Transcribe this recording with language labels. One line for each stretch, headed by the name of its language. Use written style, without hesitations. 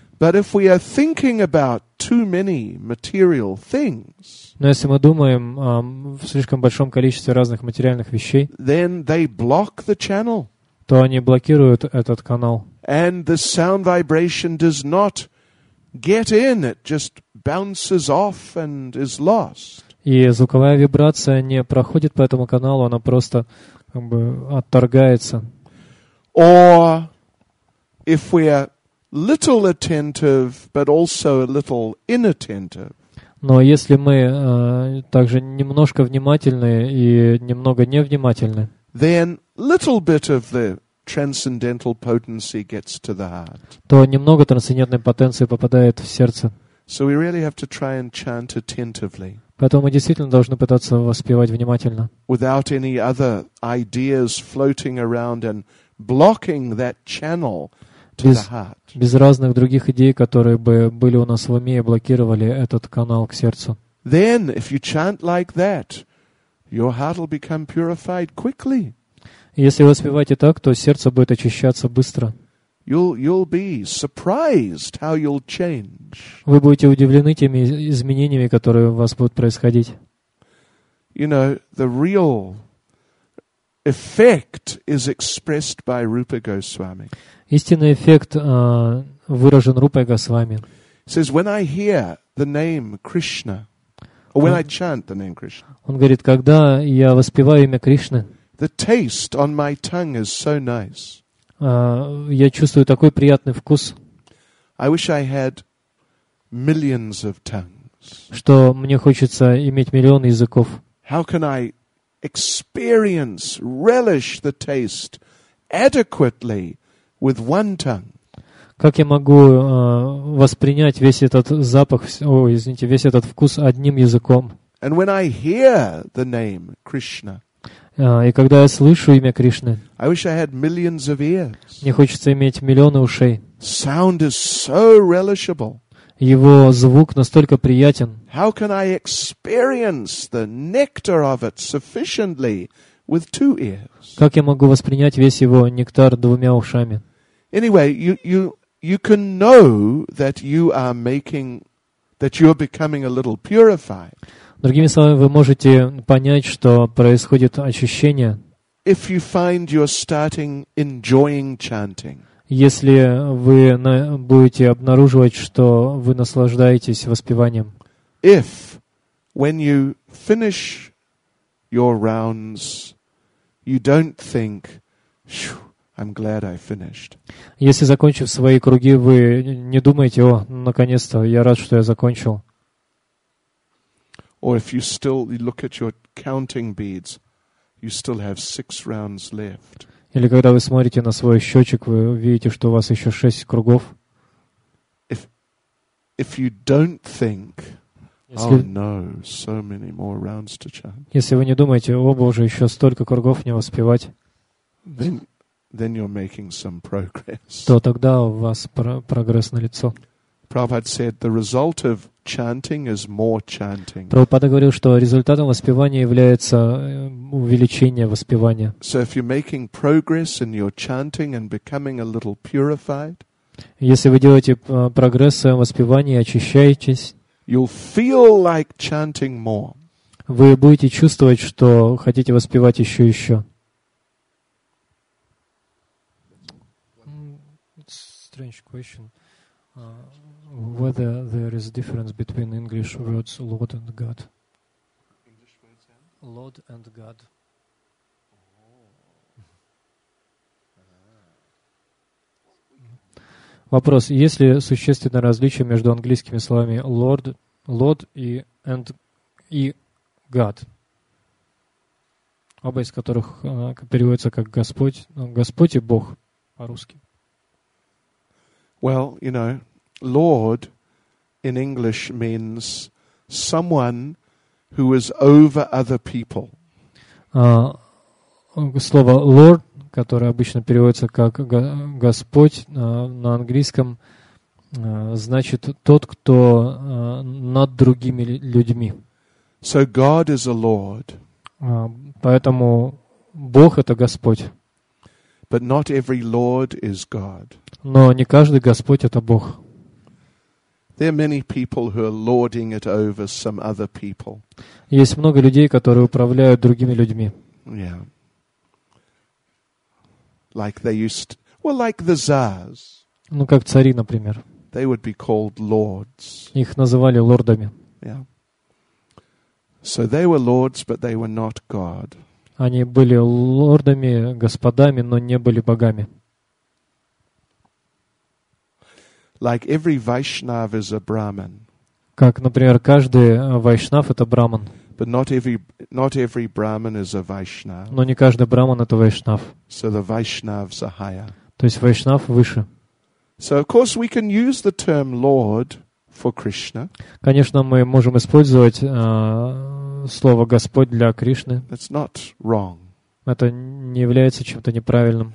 English: But if we are thinking about too many material things,
Russian: но если мы думаем в слишком большом количестве разных материальных вещей,
English: then they block the channel.
Russian: То они блокируют этот канал.
English: And the sound vibration does not get in; it just bounces off and is lost.
Russian: И звуковая вибрация не проходит по этому каналу, она просто как бы отторгается.
English: Or if we are little attentive, but also a little inattentive.
Russian: Но если мы также немножко внимательны и немного невнимательны,
English: then little bit of the transcendental potency gets to the heart.
Russian: То немного трансцендентной потенции попадает в сердце.
English: So we really have to try and chant attentively.
Russian: Поэтому мы действительно должны пытаться воспевать внимательно.
English: Without any other ideas floating around and blocking that channel to the heart.
Russian: Без разных других идей, которые бы были у нас в уме и блокировали этот канал к сердцу.
English: Then, if you chant like that, your heart will become purified quickly.
Russian: Если вы воспеваете так, то сердце будет очищаться быстро.
English: You'll be surprised how you'll change.
Russian: Вы будете удивлены теми изменениями, которые у вас будут происходить.
English: You know, the real effect is expressed by Rupa Goswami.
Russian: Истинный эффект выражен Рупой Госвами.
English: Says when I hear the name Krishna, or when I chant the name Krishna.
Russian: Он говорит, когда я воспеваю имя Кришны.
English: The taste on my tongue is so nice.
Russian: Я чувствую такой приятный вкус.
English: I wish I had millions of tongues.
Russian: Что мне хочется иметь миллион языков.
English: How can I experience, relish the taste adequately with one tongue?
Russian: Как я могу воспринять весь этот запах, весь этот вкус одним языком?
English: And when I hear the name Krishna.
Russian: И когда я слышу имя Кришны,
English: I wish I had millions of ears.
Russian: Мне хочется иметь миллионы ушей.
English: Sound is so relishable.
Russian: Его звук настолько приятен.
English: How can I experience the nectar of it sufficiently with two ears?
Russian: Как я могу воспринять весь его нектар двумя ушами?
English: Anyway, you can know that you are making, that you are becoming a little purified.
Russian: Другими словами, вы можете понять, что происходит очищение.
English: If you find you're starting enjoying chanting.
Russian: Если вы будете обнаруживать, что вы наслаждаетесь воспеванием.
English: If, when you finish your rounds, you don't think, I'm glad I finished.
Russian: Если, закончив свои круги, вы не думаете, о, наконец-то, я рад, что я закончил.
English: Or if you still look at your counting beads, you still have 6 rounds left.
Russian: Или когда вы смотрите на свой счетчик, вы видите, что у вас еще 6 кругов.
English: If you don't think, oh no, so many more rounds to chant.
Russian: Если вы не думаете, о боже, еще столько кругов мне воспевать.
English: Then you're making some progress.
Russian: То тогда у вас прогресс налицо.
English: Prabhupada said the result of chanting is more chanting.
Russian: Прабхупада говорил, что результатом воспевания является увеличение воспевания.
English: So if you're making progress in your chanting and becoming a little purified,
Russian: если вы делаете прогресс в своем воспевании, очищаетесь,
English: you'll feel like chanting more.
Russian: Вы будете чувствовать, что хотите воспевать еще и еще.
English: Strange question. Whether there is difference between English words Lord and God. English words and? Lord and God.
Russian: Вопрос. Есть ли существенное различие между английскими словами Lord и God? Оба из которых переводятся как Господь и Бог по-русски.
English: Well, you know, Lord in English means someone who is over other people.
Russian: Слово Lord, которое обычно переводится как Господь на английском, значит тот, кто над другими людьми.
English: So God is a Lord.
Russian: Поэтому Бог это Господь.
English: But not every Lord is God.
Russian: Но не каждый Господь это Бог.
English: There are many people who are lording it over some other people.
Russian: Есть много людей, которые управляют другими людьми.
English: Yeah. Like they used to, well, like the czars.
Russian: Ну, как цари, например.
English: They would be called lords.
Russian: Их называли лордами.
English: Yeah. So they were lords, but they were not God.
Russian: Они были лордами, господами, но не были богами.
English: Like every Vaishnav is a Brahmin.
Russian: Как, например, каждый вайшнав это браман.
English: But not every Brahmin is a Vaishnav.
Russian: Но не каждый браман это вайшнав.
English: So the Vaishnavs are higher.
Russian: То есть вайшнав выше.
English: So of course we can use the term Lord for Krishna.
Russian: Конечно, мы можем использовать слово Господь для Кришны.
English: That's not wrong.
Russian: Это не является чем-то неправильным.